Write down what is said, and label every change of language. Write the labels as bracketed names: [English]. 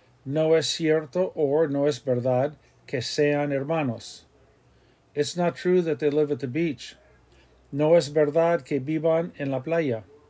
[Spanish] No es cierto or no es verdad que sean hermanos. [English] It's not true that they live at the beach. [Spanish] No es verdad que vivan en la playa.